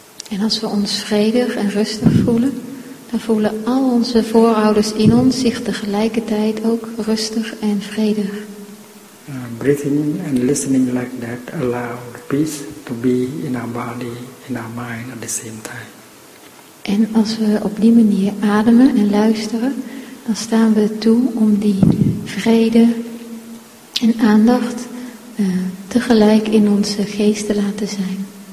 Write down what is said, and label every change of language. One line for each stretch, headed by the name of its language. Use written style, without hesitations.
Dutch: En als we ons vredig en rustig voelen, dan voelen al onze voorouders in ons zich tegelijkertijd ook rustig en vredig.
English: Breathing and listening like that allows peace to be in our body, in our mind at the same time.
Dutch: En als we op die manier ademen en luisteren, dan staan we toe om die vrede en aandacht tegelijk in onze geest te laten zijn.